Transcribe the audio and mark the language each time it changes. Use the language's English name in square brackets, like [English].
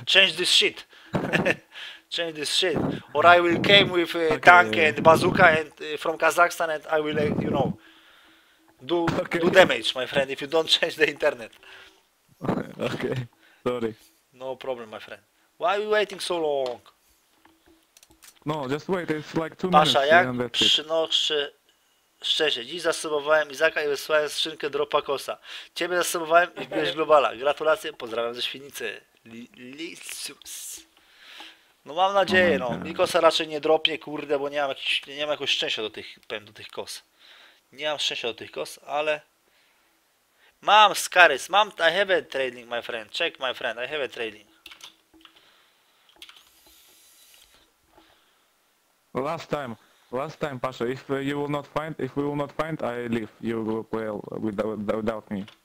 [English] Change this shit. Change this shit. Or I will came with tank Okay. and bazooka and from Kazakhstan and I will, you know, do Okay. damage, my friend, if you don't change the internet. Okay. Sorry. No problem, my friend. Why are we waiting so long? No, just wait. It's like 2 minutes [Polish] Pasha, jak [English] and that's it. [Polish] przynoszę. Szczerze, dziś zasubowałem Izaka i wysłałem skrzynkę dropa kosa. Ciebie zasubowałem i wbiłeś globala. Gratulacje, pozdrawiam ze Świnicy. Lisus. No mam nadzieję, no. Mikosa raczej nie dropnie, kurde, bo nie mam jakoś szczęścia do tych, powiem, do tych kos. Nie mam szczęścia do tych kos, ale... Mam Skaris, mam... [English] I have a trailing, my friend. Check, my friend, I have a trailing. Last time, Pasha, if you will not find, if we will not find, I leave. You will play without me.